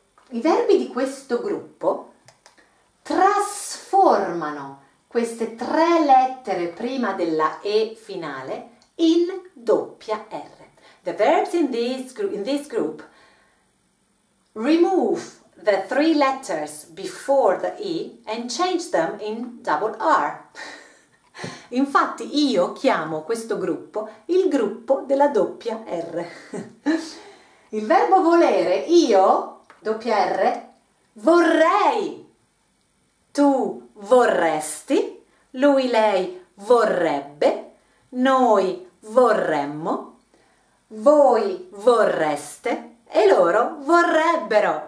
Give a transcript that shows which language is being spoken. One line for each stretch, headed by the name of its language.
Italian: I verbi di questo gruppo trasformano queste tre lettere prima della E finale in doppia R.
English: The verbs in this group remove the three letters before the E and change them in double R.
Italian: Infatti io chiamo questo gruppo il gruppo della doppia R. Il verbo volere, io, doppia R, vorrei, tu vorresti, lui, lei vorrebbe, noi vorremmo, voi vorreste e loro vorrebbero.